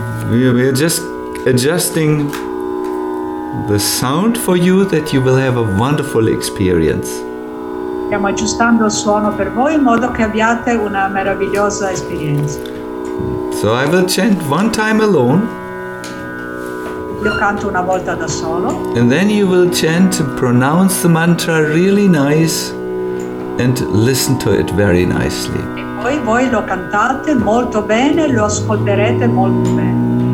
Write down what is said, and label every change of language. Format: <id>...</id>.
<en>We are just adjusting the sound for you that you will have a wonderful experience.</en> <it>Stiamo aggiustando il suono per voi in modo che abbiate una meravigliosa esperienza.</it> <en>So I will chant one time alone.</en> <it>Io canto una volta da solo.</it> <en>And then you will chant, pronounce the mantra really nice and listen to it very nicely.</en> <it>E poi voi lo cantate molto bene e lo ascolterete molto bene.</it>